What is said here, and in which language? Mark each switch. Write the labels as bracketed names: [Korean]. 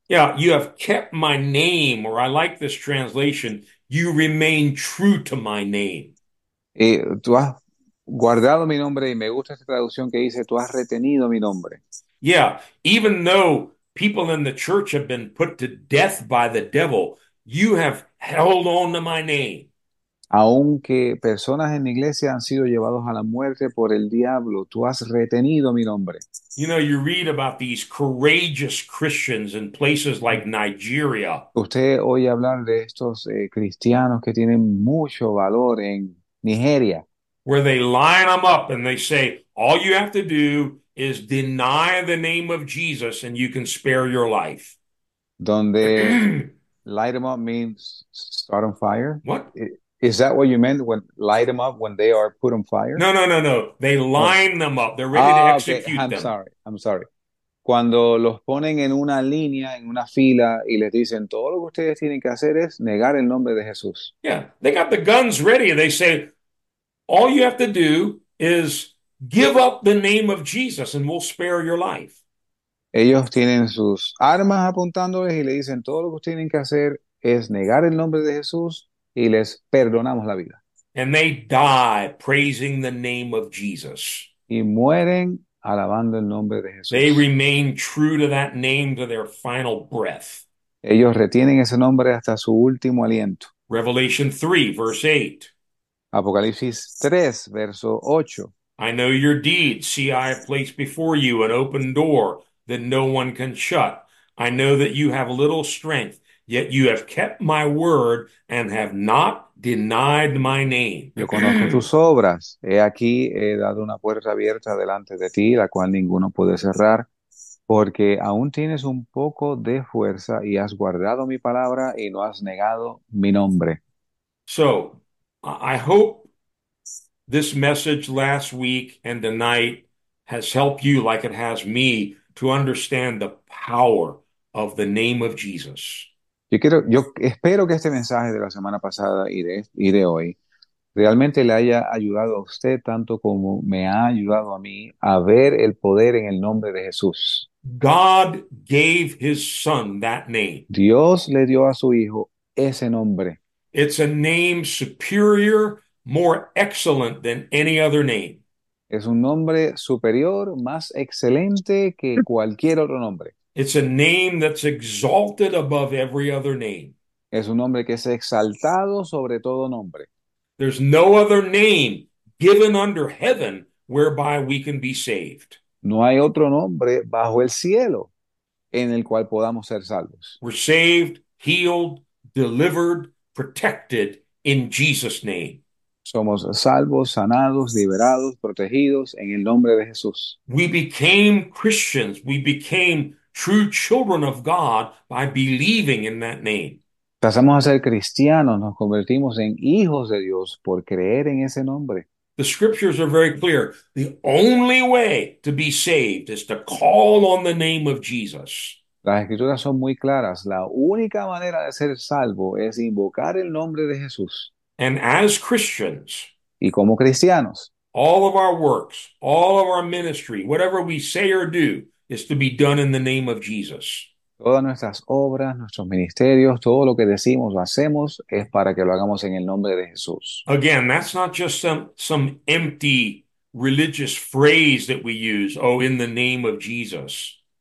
[English] Yeah, you have kept my name, or I like this translation, you remain true to my name. [Spanish] Y tú has guardado mi nombre y me gusta esta traducción que dice, tú has retenido mi nombre. [English] Yeah, even though people in the church have been put to death by the devil, you have held on to my name. [Spanish] Aunque personas en mi iglesia han sido llevados a la muerte por el diablo, tú has retenido mi nombre. [English] You know, you read about these courageous Christians in places like Nigeria. [Spanish] Usted oye hablar de estos cristianos que tienen mucho valor en Nigeria. [English] Where they line them up and they say, all you have to do is deny the name of Jesus and you can spare your life. [Spanish] Donde [English] light them up means start on fire. What? Is that what you meant when light them up when they are put on fire? No. They Oh, line them up. They're ready to ah, okay. execute them. I'm sorry. [Spanish] Cuando los ponen en una línea, en una fila, y les dicen, todo lo que ustedes tienen que hacer es negar el nombre de Jesús. [English] Yeah, they got the guns ready. They say, all you have to do is give up the name of Jesus and we'll spare your life. [Spanish] Ellos tienen sus armas apuntándoles y le dicen, todo lo que ustedes tienen que hacer es negar el nombre de Jesús. Y les perdonamos la vida. [English] And they die praising the name of Jesus. [Spanish] Y mueren alabando el nombre de [English] They [Spanish] Jesús. [English] remain true to that name to their final breath. [Spanish] Ellos retienen ese nombre hasta su último aliento. [English] Revelation 3, verse 8. [Spanish] Apocalipsis 3, verso 8. [English] I know your deeds. See, I have placed before you an open door that no one can shut. I know that you have little strength. Yet you have kept my word and have not denied my name. [Spanish] Yo conozco tus obras. He aquí, he dado una puerta abierta delante de ti, la cual ninguno puede cerrar, porque aún tienes un poco de fuerza y has guardado mi palabra y no has negado mi nombre. [English] So, I hope this message last week and tonight has helped you, like it has me, to understand the power of the name of Jesus. [Spanish] Yo espero que este mensaje de la semana pasada y de hoy realmente le haya ayudado a usted tanto como me ha ayudado a mí a ver el poder en el nombre de Jesús. [English] God gave his son that name. [Spanish] Dios le dio a su hijo ese nombre. [English] It's a name superior, more excellent than any other name. [Spanish] Es un nombre superior, más excelente que cualquier otro nombre. [English] It's a name that's exalted above every other name. [Spanish] Es un nombre que es exaltado sobre todo nombre. [English] There's no other name given under heaven whereby we can be saved. [Spanish] No hay otro nombre bajo el cielo en el cual podamos ser salvos. [English] We're saved, healed, delivered, protected in Jesus' name. [Spanish] Somos salvos, sanados, liberados, protegidos en el nombre de Jesús. [English] We became Christians. We became true children of God by believing in that name. [Spanish] Pasamos a ser cristianos, nos convertimos en hijos de Dios por creer en ese nombre. [English] The scriptures are very clear. The only way to be saved is to call on the name of Jesus. [Spanish] Las escrituras son muy claras. La única manera de ser salvo es invocar el nombre de Jesús. [English] And as Christians, [Spanish] Y como cristianos, [English] all of our works, all of our ministry, whatever we say or do, is to be done in the name of Jesus. [Spanish] todas nuestras obras, nuestros ministerios, todo lo que decimos o hacemos es para que lo hagamos en el nombre de Jesús. [English] Again, that's not just some empty religious phrase that we use, oh, in the name of Jesus.